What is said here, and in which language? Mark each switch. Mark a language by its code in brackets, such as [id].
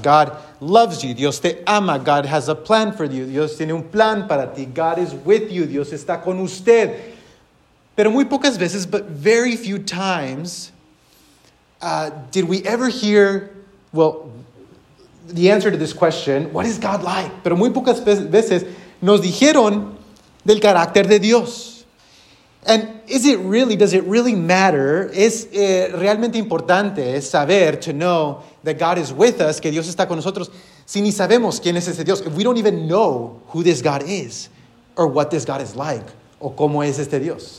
[en] God loves you, [es] Dios te ama, [en] God has a plan for you, [es] Dios tiene un plan para ti, [en] God is with you, [es] Dios está con usted. Pero muy pocas veces, [en] but very few times, did we ever hear, well, the answer to this question, what is God like? [es] Pero muy pocas veces nos dijeron del carácter de Dios. [en] And is it really, does it really matter? [es] Es realmente importante saber, [en] to know that God is with us, [es] que Dios está con nosotros, si ni sabemos quién es ese Dios. [en] If we don't even know who this God is, or what this God is like, [es] o cómo es este Dios.